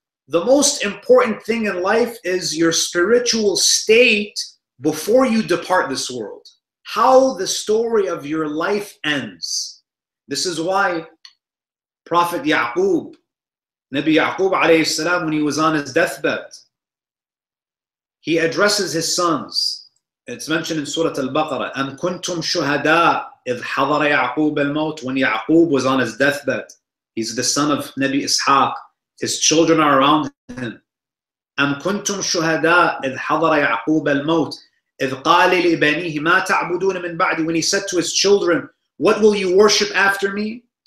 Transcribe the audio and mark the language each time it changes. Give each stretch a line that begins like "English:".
English: The most important thing in life is your spiritual state before you depart this world. How the story of your life ends. This is why Prophet Ya'qub, Nabi Ya'qub alayhi salam, when he was on his deathbed, he addresses his sons. It's mentioned in Surah Al-Baqarah,
Arabic: أَمْ كُنْتُمْ شُهَدَاءَ إِذْ حَضَرَ يَعْقُوبَ الْمَوْتِ.
English: When Ya'qub was on his deathbed, he's the son of Nabi Ishaq, his children are around him.
Arabic: أَمْ كُنْتُمْ شُهَدَاءَ إِذْ حَضَرَ يَعْقُوبَ الْمَوْتِ إِذْ قَالِ لِبَنِيهِ مَا تَعْبُدُونَ مِنْ بَعْدِ.
English: When he said to his children, what will you worship after me?